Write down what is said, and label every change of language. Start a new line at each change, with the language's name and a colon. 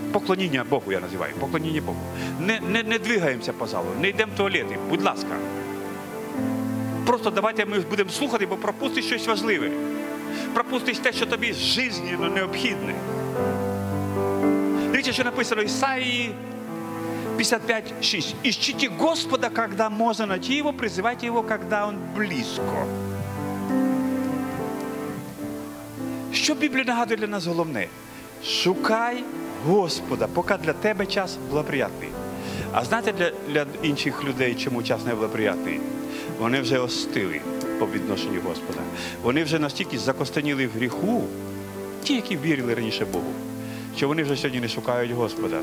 Ukrainian: Поклоніння Богу, я називаю. Поклоніння Богу. Не двигаємося по залу, не йдемо в туалети. Будь ласка. Просто давайте ми будемо слухати, бо пропустиш щось важливе. Пропустиш те, що тобі жизненно необхідне. Дивіться, що написано Ісаї 55:6.
Russian: Ищите Господа, когда можно найти Его, призывайте Его, когда Он близко.
Ukrainian: Що Біблія нагадує для нас головне? Шукай Господа, поки для тебе час благоприятний. А знаєте, для інших людей, чому час не благоприятний? Вони вже остили по відношенню Господа. Вони вже настільки закостеніли в гріху, ті, які вірили раніше Богу, що вони вже сьогодні не шукають Господа.